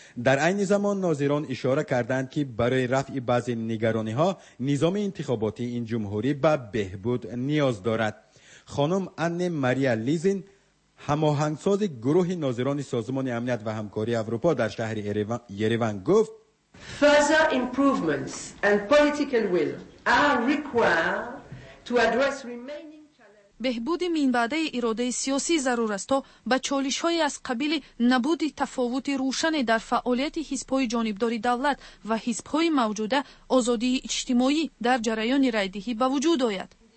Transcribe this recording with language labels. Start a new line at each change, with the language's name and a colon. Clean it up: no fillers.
Persian: در عین زمان ناظران اشاره کردند که برای رفع بعضی نگرانی ها نظام انتخاباتی این جمهوری به بهبود نیاز دارد. خانم آنه ماریا لیزین، هماهنگساز گروه ناظران سازمان امنیت و همکاری اروپا در شهر یروان گفت:
English: Further improvements and political will are required to address remaining challenges.
Persian: بهبود منبعه اراده سیاسی ضرور است تا با چالش های از قبیل نبود تفاوت روشن در فعالیت حزب های جانبداری دولت و حزب های موجوده آزادی اجتماعی در جریان رای دهی به وجود آید.